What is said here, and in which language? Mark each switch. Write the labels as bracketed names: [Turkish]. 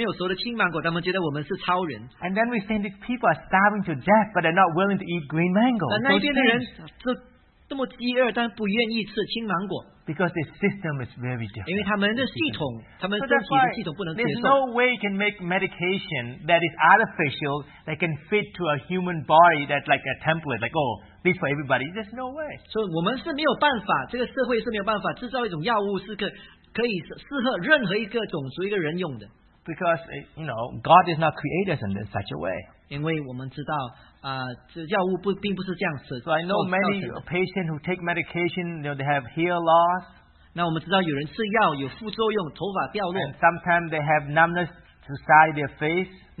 [Chinese] 所以当我和那棵传道在吃那个还没有熟的青芒果，他们觉得我们是超人。 [English] And then we think these people are starving to death, but they're not willing to eat green mango. [Chinese] 那边的人这么饥饿，但不愿意吃青芒果。 [English] Because the system is very different. [Chinese] 因为他们的系统, [English] there's no way you can make medication that is artificial that can fit to a human body that's like a template, like, oh, this for everybody. There's no way. [Chinese] So 我们是没有办法，这个社会是没有办法制造一种药物是可以适合任何一个种族一个人用的。 [English] Because, you know, God is not created in such a way. [Chinese] 因为我们知道, 这药物并不是这样子, [English] so I know many patients who take medication, you know, they have hair loss. [Chinese] 那我们知道有人吃药有副作用,头发掉落。 [English] And sometimes they have numbness to side their face.